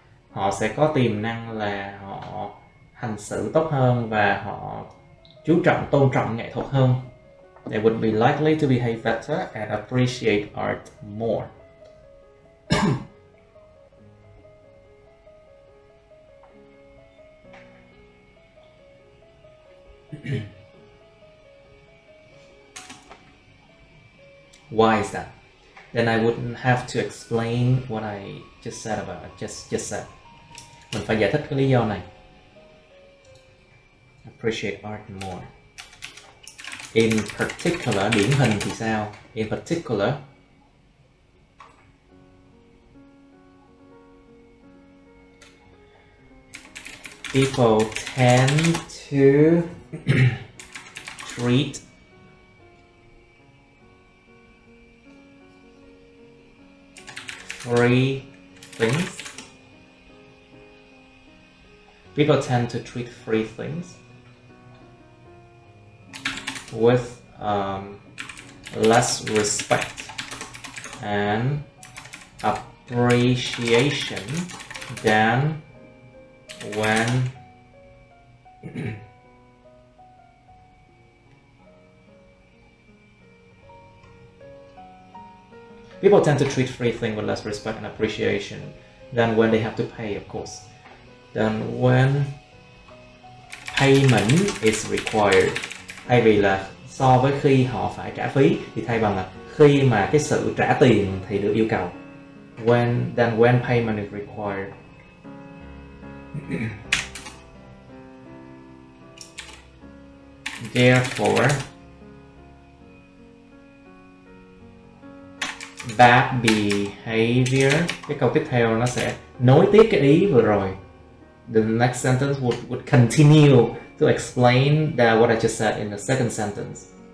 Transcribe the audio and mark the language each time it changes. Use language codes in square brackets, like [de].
[vi] Họ sẽ có tiềm năng là họ hành xử tốt hơn và họ chú trọng tôn trọng nghệ thuật hơn. [en] They would be likely to behave better and appreciate art more. Why is that? Then I wouldn't have to explain what I just said about it. Just said. [vi] Mình phải giải thích cái lý do này. [en] Appreciate art more. In particular, [vi] điển hình thì sao? [en] In particular, people tend to treat free things. People tend to treat free things with less respect and appreciation than when people tend to treat free things with less respect and appreciation than when they have to pay, of course. Than when payment is required. [vi] Thay vì là so với khi họ phải trả phí thì thay bằng là khi mà cái sự trả tiền thì được yêu cầu. [en] Than when payment is required. Therefore, bad behavior. [vi] Cái câu tiếp theo nó sẽ nối tiếp cái ý vừa rồi. [en] The next sentence would continue to explain that what I just said in the second sentence.